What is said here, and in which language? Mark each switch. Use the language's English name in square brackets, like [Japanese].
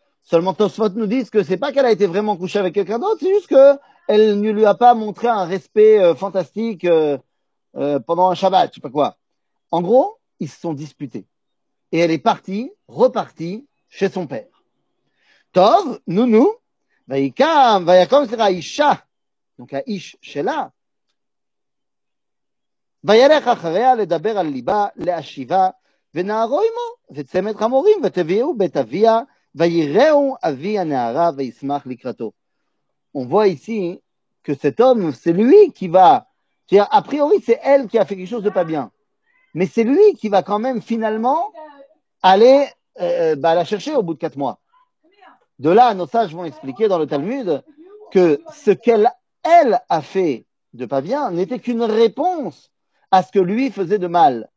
[French] Seulement Tosfot nous dit que ce n'est pas qu'elle a été vraiment couchée avec quelqu'un d'autre, c'est juste qu'elle ne lui a pas montré un respect fantastique pendant un Shabbat, je ne sais pas quoi. En gros, ils se sont disputés. Et elle est partie, repartie chez son père. Tov, nounou, vayikam, vayakom, c'est à Isha, donc à Ish, Shela. [Hebrew] וילך אחריה לדבר על ליבה להשיבה ונערו עמו וצמד חמורים ותביאו בית אביה ויראו אבי הנערה וישמח לקראתו. [French] On voit ici que cet homme, c'est lui qui va, c'est-à-dire, a priori c'est elle qui a fait quelque chose de pas bien, mais c'est lui qui va quand même finalement aller bah, la chercher au bout de 4 mois. De là, nos sages vont expliquer dans le Talmud que ce qu'elle elle a fait de pas bien n'était qu'une réponse à ce que lui faisait de mal.